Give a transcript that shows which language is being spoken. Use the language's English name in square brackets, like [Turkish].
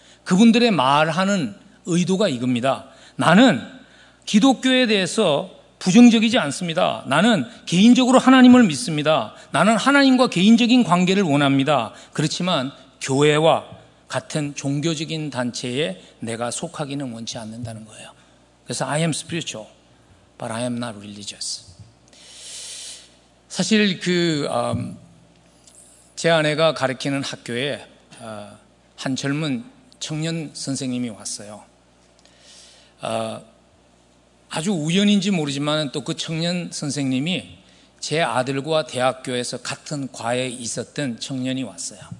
[Korean] 그분들의 말하는 의도가 이겁니다. 나는 기독교에 대해서 부정적이지 않습니다. 나는 개인적으로 하나님을 믿습니다. 나는 하나님과 개인적인 관계를 원합니다. 그렇지만 교회와 같은 종교적인 단체에 내가 속하기는 원치 않는다는 거예요. [English] 그래서 I am spiritual, but I am not religious. [Korean] 사실 제 아내가 가르치는 학교에 한 젊은 청년 선생님이 왔어요. 아주 우연인지 모르지만 또 그 청년 선생님이 제 아들과 대학교에서 같은 과에 있었던 청년이 왔어요.